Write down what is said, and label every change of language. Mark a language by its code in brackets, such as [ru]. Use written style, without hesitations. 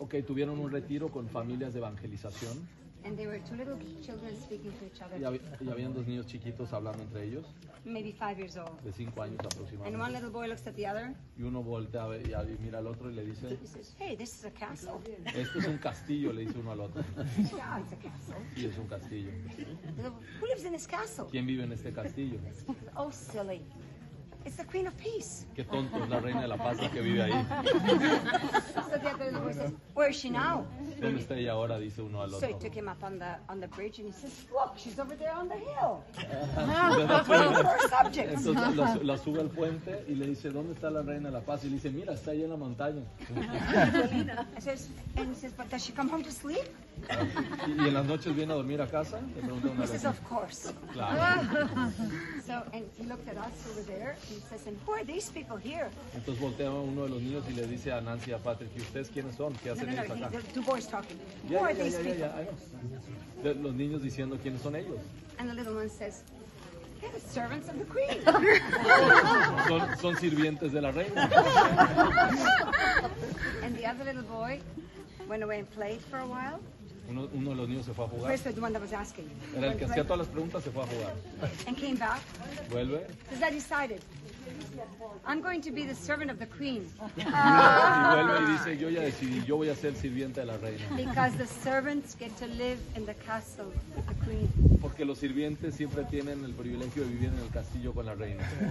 [es] Okay, tuvieron un retiro con familias de evangelización. [en] And there were two little children speaking to each other. [es] Y habían dos niños chiquitos hablando entre ellos. [en] Maybe 5 years old. [es] De 5 años aproximadamente. [en] And one little boy looks at the other. [es] Y uno voltea y mira al otro y le dice. [en] He says, "Hey, this is a castle." [es] Esto es un castillo, le dice uno al otro. [en] Yeah, it's a castle. [es] Y es un castillo. [en] Who lives in this castle? [es] ¿Quién vive en este castillo? [en] Oh, silly. It's the Queen of Peace. [es] Qué tonto, es la reina de la paz la que vive ahí. [en] So the other boy says, "Where is she now?" [es] ¿Dónde está ella ahora?, dice uno al otro. [en] So he took him up on the bridge and he says, "Look, she's over there on the hill." [es] Entonces la sube al puente y le dice, "¿Dónde está la reina de la paz?" Y le dice, "Mira, está ahí en la montaña." [en] And he says, "But does she come home to sleep?" [es] Y en las noches viene a dormir a casa. Le pregunta una [en] vez. He says, "Of course." [es] Claro. [en] So and he looked at us over there. He says, "And who are these people here?" [es] Entonces voltea a uno de los niños y le dice a Nancy y a Patrick, "¿Y ustedes quiénes son? ¿Qué hacen ellos acá?" [en] No, two boys talking. Yeah, who yeah, are yeah, these yeah, people? [es] Yeah, yeah. Los niños diciendo quiénes son ellos. [en] And the little one says, "They're the servants of the queen." [es] son sirvientes de la reina. [en] And the other little boy went away and played for a while. [es] Uno de los niños se fue a jugar. [en] First, the one that was asking. [es] Era el que hacía todas las preguntas, se fue a jugar. [en] And came back. [es] Vuelve. [en] Says, "I decided. I'm going to be the servant of the queen." [es] Y vuelve y dice, "Yo ya decidí, yo voy a ser sirviente de la reina." [en] Because the servants get to live in the castle with the queen. [es] Porque los sirvientes siempre tienen el privilegio de vivir en el castillo con la reina.